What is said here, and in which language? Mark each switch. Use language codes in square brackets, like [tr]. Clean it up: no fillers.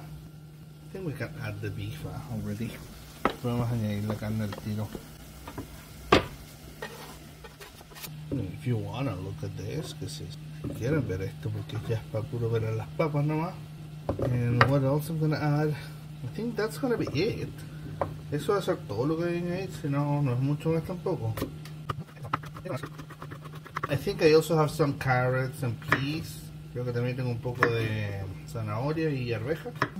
[en] I think we can add the beef already. [es] Podemos añadir la carne al tiro. [en] If you wanna look at this, because [es] si quieren ver esto, porque ya es para puro ver a las papas nomás. [en] And what else I'm gonna add? I think that's gonna be it. [es] Eso va a ser todo lo que voy a añadir, si no, no es mucho más tampoco. [en] I think I also have some carrots and peas. [es] Creo que también tengo un poco de zanahoria y arveja.